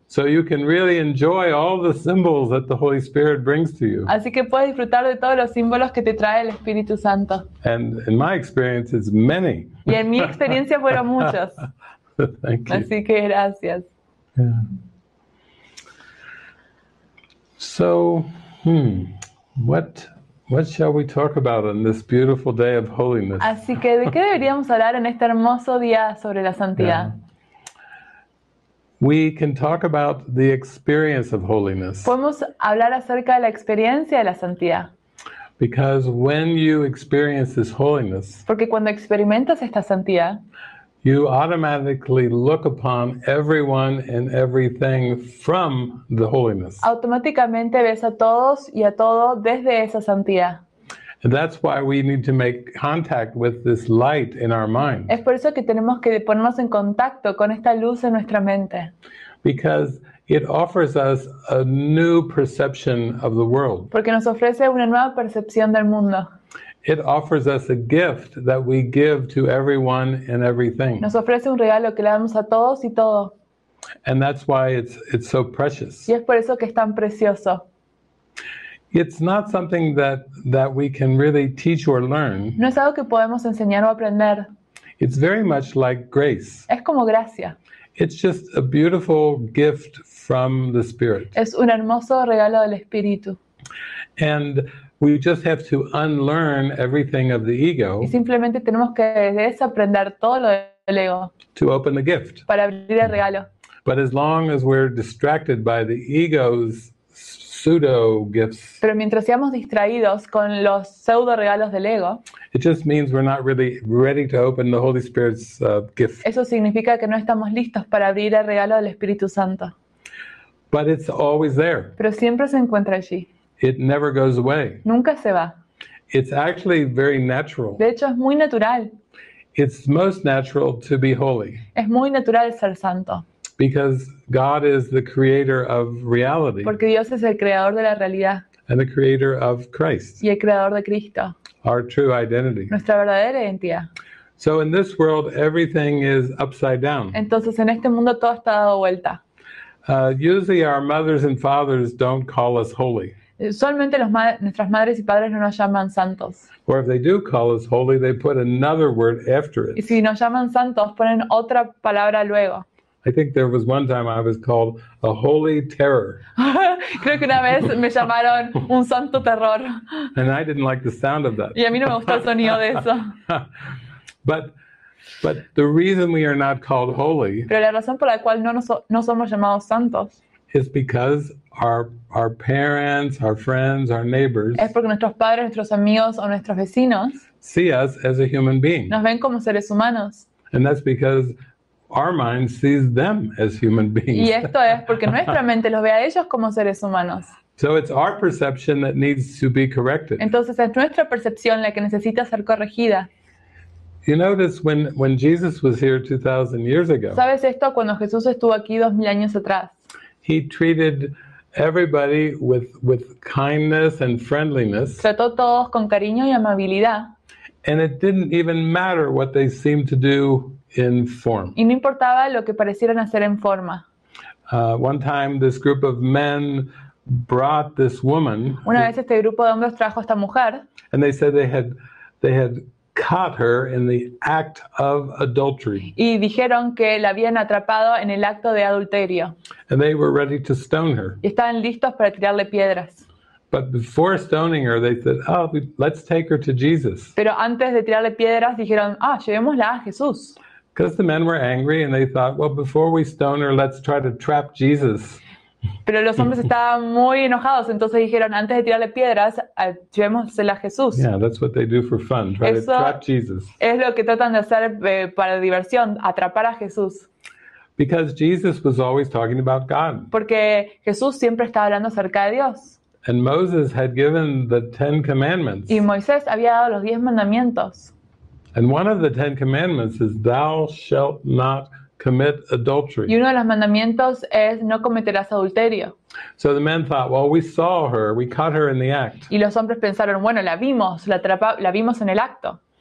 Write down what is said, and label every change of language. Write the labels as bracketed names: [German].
[English] So you can really enjoy all the symbols that the Holy Spirit brings to you. [Spanish] Así que puedes disfrutar de todos los símbolos que te trae el Espíritu Santo. [English] And in my experience, it's many. [Spanish] Y en mi experiencia fueron muchos. [English] Thank you. [Spanish] Así que gracias. [English] Yeah. So, what shall we talk about on this beautiful day of holiness? [Spanish] Así que, ¿de qué deberíamos hablar en este hermoso día sobre la santidad? [English] We can talk about the experience of holiness. [Spanish] Podemos hablar acerca de la experiencia de la santidad. [English] Because when you experience this holiness, [Spanish] porque cuando experimentas esta santidad, [English] you automatically look upon everyone and everything from the holiness. [Spanish] Automáticamente ves a todos y a todo desde esa santidad. [English] And that's why we need to make contact with this light in our mind. [Spanish] Es por eso que tenemos que ponernos en contacto con esta luz en nuestra mente. [English] Because it offers us a new perception of the world. [Spanish] Porque nos ofrece una nueva percepción del mundo. [English] It offers us a gift that we give to everyone and everything. [Spanish] Nos ofrece un regalo que le damos a todos y todo. [English] And that's why it's so precious. [Spanish] Y es por eso que es tan precioso. [English] It's not something that we can really teach or learn. [Spanish] No es algo que podemos enseñar o aprender. [English] It's very much like grace. [Spanish] Es como gracia. [English] It's just a beautiful gift from the Spirit. [Spanish] Es un hermoso regalo del Espíritu. [English] And we just have to unlearn everything of the ego. [Spanish] Y simplemente tenemos que desaprender todo lo del ego. [English] To open the gift. [Spanish] Para abrir el regalo. [English] But as long as we're distracted by the ego's pseudo gifts. [Spanish] Pero mientras seamos distraídos con los pseudo regalos del ego. [English] It just means we're not really ready to open the Holy Spirit's gift. [Spanish] Eso significa que no estamos listos para abrir el regalo del Espíritu Santo. [English] But it's always there. [Spanish] Pero siempre se encuentra allí. [English] It never goes away. [Spanish] Nunca se va. [English] It's actually very natural. [Spanish] De hecho, es muy natural. [English] It's most natural to be holy. [Spanish] Es muy natural ser santo. [English] Because God is the creator of reality. [Spanish] Porque Dios es el creador de la realidad. [English] And the creator of Christ. [Spanish] Y el creador de Cristo. [English] Our true identity. [Spanish] Nuestra verdadera identidad. [English] So in this world, everything is upside down. [Spanish] Entonces, en este mundo todo está dado vuelta. [English] Usually our mothers and fathers don't call us holy. [Spanish] Solamente nuestras madres y padres no nos llaman santos. [English] Or if they do call us holy, they put another word after it. [Spanish] Y si nos llaman santos, ponen otra palabra luego. [English] I think there was one time I was called a holy terror. [Spanish] Creo que una vez me llamaron un santo terror. [English] And I didn't like the sound of that. [Spanish] Y a mí no me gustó el sonido de eso. [English] But the reason we are not called holy. [Spanish] Pero la razón por la cual no somos llamados santos. [English] Is because our parents, our friends, our neighbors. [Spanish] Es porque nuestros padres, nuestros amigos o nuestros vecinos. [English] See us as a human being. [Spanish] Nos ven como seres humanos. [English] And that's because our mind sees them as human beings. [Spanish] Y esto es porque nuestra mente los ve a ellos como seres humanos. [English] So it's our perception that needs to be corrected. [Spanish] Entonces es nuestra percepción la que necesita ser corregida. [English] You notice when Jesus was here 2,000 years ago. [Spanish] ¿Sabes esto? Cuando Jesús estuvo aquí 2,000 años atrás. [English] He treated everybody with kindness and friendliness. [Spanish] Trató a todos con cariño y amabilidad. [English] And it didn't even matter what they seemed to do in form. [Spanish] Y no importaba lo que parecieran hacer en forma. [English] One time this group of men brought this woman. [Spanish] Una vez este grupo de hombres trajo a esta mujer. [English] And they said they had caught her in the act of adultery. [Spanish] Y dijeron que la habían atrapado en el acto de adulterio. [English] And they were ready to stone her. [Spanish] Y estaban listos para tirarle piedras. [English] But before stoning her, they said, "Oh, let's take her to Jesus." [Spanish] Pero antes de tirarle piedras dijeron, "Ah, llevémosla a Jesús." [English] Because the men were angry and they thought, "Well, before we stone her, let's try to trap Jesus." [Spanish] Pero los hombres estaban muy enojados, entonces dijeron, antes de tirarle piedras, llevémosela a Jesús. [English] Yeah, that's what they do for fun, try [Spanish] Eso [English] to trap Jesus. [Spanish] Es lo que tratan de hacer para diversión, atrapar a Jesús. [English] Because Jesus was always talking about God. [Spanish] Porque Jesús siempre estaba hablando acerca de Dios. [English] And Moses had given the Ten Commandments. [Spanish] Y Moisés había dado los 10 mandamientos. [English] And one of the Ten Commandments is, thou shalt not commit adultery. [Spanish] Y uno de los mandamientos es no cometerás adulterio. [English] So the men thought, well, we saw her, we caught her in the act. [Spanish] Y los hombres pensaron, bueno, la vimos, la vimos en el acto.